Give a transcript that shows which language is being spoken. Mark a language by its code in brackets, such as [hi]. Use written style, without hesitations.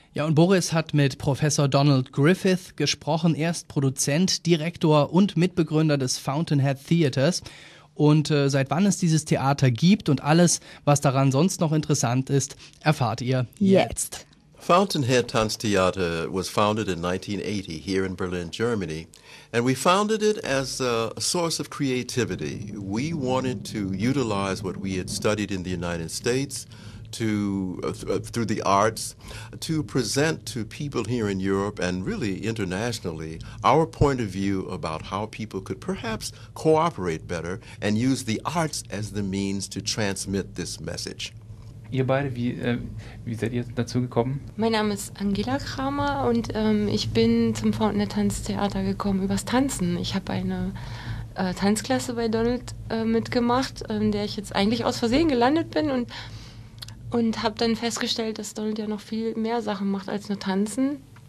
[de] Ja, und Boris hat mit Professor Donald Griffith gesprochen. Er ist Produzent, Direktor und Mitbegründer des Fountainhead Theaters. Und seit wann es dieses Theater gibt und alles, was daran sonst noch interessant ist, erfahrt ihr jetzt. [en] Fountainhead Tanztheater was founded in 1980 here in Berlin, Germany. And we founded it as a source of creativity. We wanted to utilize what we had studied in the United States through the arts to present to people here in Europe and really internationally our point of view about how people could perhaps cooperate better and use the arts as the means to transmit this message. [de] Ihr beide, wie seid ihr dazu gekommen? Mein Name ist Angela Kramer und ich bin zum Fountainhead Tanztheater gekommen übers Tanzen. Ich habe eine Tanzklasse bei Donald mitgemacht, in der ich jetzt eigentlich aus Versehen gelandet bin und habe dann festgestellt, dass Donald ja noch viel mehr Sachen macht als nur tanzen.